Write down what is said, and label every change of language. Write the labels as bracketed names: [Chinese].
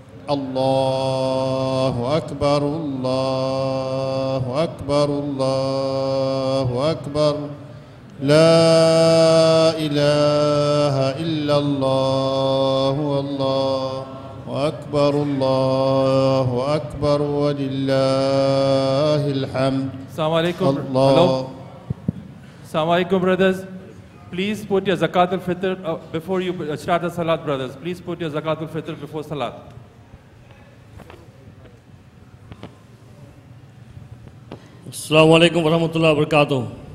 [Arabic] الله أكبر الله أكبر الله أكبر لا إله إلا الله والله أكبر الله أكبر ولله الحمد. السلام عليكم. السلام عليكم brothers. [English] Please put your zakat al-fitr before you start the salat brothers. Please put your zakat al-fitr before salat. [Arabic] السلام عليكم ورحمة الله وبركاته.